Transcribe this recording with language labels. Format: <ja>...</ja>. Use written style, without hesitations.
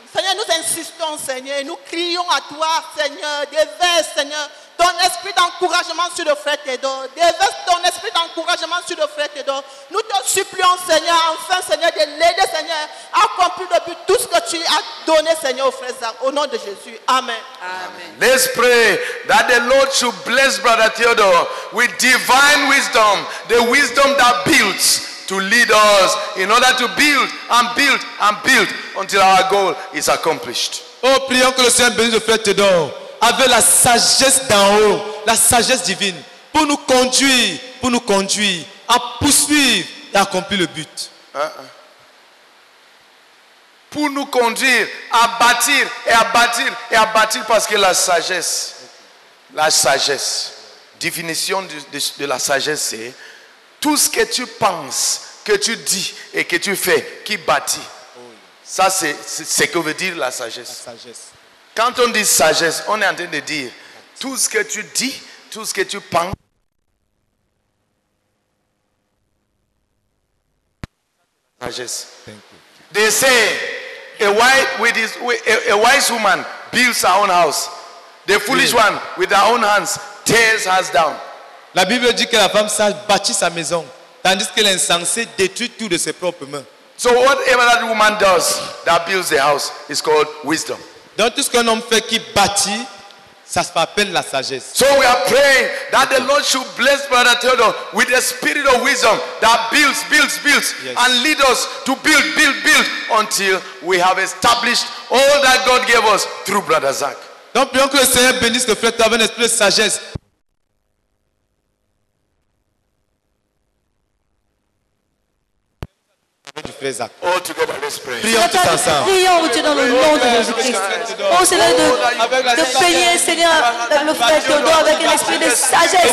<fr>Seigneur, nous insistons, Seigneur, nous crions à toi, Seigneur, déverse, Seigneur, ton esprit d'encouragement sur le frère Tedor. Déverse ton esprit d'encouragement sur le frère Tedor. Nous te supplions, Seigneur, enfin, Seigneur, de l'aider, Seigneur, accomplir depuis tout ce que tu as donné, Seigneur, au frère Zach. Au nom de Jésus. Amen. Amen.</fr> <en>Let's pray that the Lord should bless brother Theodore with divine wisdom, the wisdom that builds to lead us in order to build and build and build until our goal is accomplished.</en> <fr>Oh, prions que le Seigneur bénisse le frère Tedor. Avec la sagesse d'en haut, la sagesse divine, pour nous conduire à poursuivre et accomplir le but. Pour nous conduire à bâtir et à bâtir et à bâtir, parce que la sagesse, définition de la sagesse, c'est tout ce que tu penses, que tu dis et que tu fais, qui bâtit. Ça, c'est ce que veut dire la sagesse. La sagesse. Quand on dit sagesse, on est en train de dire tout ce que tu dis, tout ce que tu penses. Sagesse.</fr> <en>They say a wise woman builds her own house. The foolish one with her own hands tears hers down.</en> <fr>La Bible dit que la femme sage bâtit sa maison, tandis que l'insensé détruit tout de ses propres mains.</fr> <en>So whatever that woman does that builds the house is called wisdom.</en> <fr>Donc tout ce qu'un homme fait qui bâtit, ça s'appelle la sagesse.</fr> <en>So we are praying that the Lord should bless brother Theodore with a spirit of wisdom that builds, builds, builds, yes, and lead us to build, build, build until we have established all that God gave us through brother Zach.</en> <fr>Donc prions que le Seigneur bénisse le frère avec un esprit de sagesse. Prions tout ensemble. Prions au nom de Jésus-Christ. Oh Seigneur, de payer, Seigneur, le frère Théodore avec un esprit de sagesse.</fr>